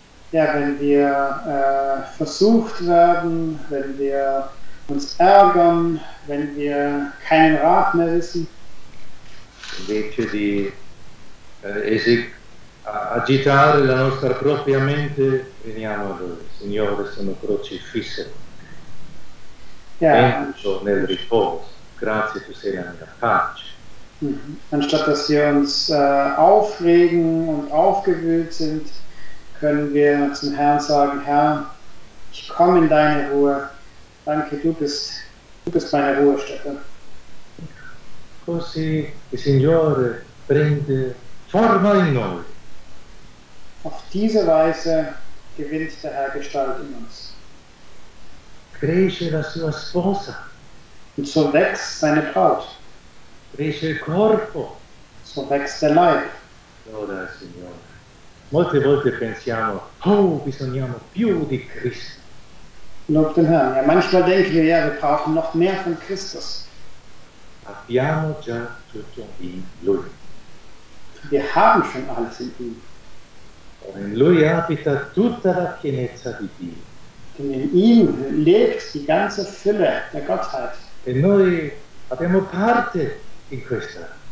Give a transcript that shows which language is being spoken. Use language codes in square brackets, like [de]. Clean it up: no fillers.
[de] Ja, wenn wir versucht werden, wenn wir uns ärgern, wenn wir keinen Rat mehr wissen. [it] Invece di agitare la nostra propria mente, veniamo a lui. Signore, sono crocifisse. Ja, penso nel riposo. Grazie, tu sei la mia pace. [de] Anstatt dass wir uns aufregen und aufgewühlt sind, können wir zum Herrn sagen, Herr, ich komme in deine Ruhe. Danke, du bist meine Ruhestätte. [it] Così il Signore prende forma in noi. [de] Auf diese Weise gewinnt der Herr Gestalt in uns. [it] Cresce la sua sposa. [de] Und so wächst seine Braut. [it] Cresce il corpo. [de] So wächst der Leib. [it] Gloria al Signore. Molte volte pensiamo, oh, bisogniamo più di Cristo. [de] Lob den Herrn. Ja, manchmal denken wir, ja, wir brauchen noch mehr von Christus. [it] Abbiamo già tutto in Lui. [de] Wir haben schon alles in ihm. [it] Und in Lui abita tutta la pienezza di Dio. [de] Denn in ihm lebt die ganze Fülle der Gottheit. [it] E noi abbiamo parte in questa.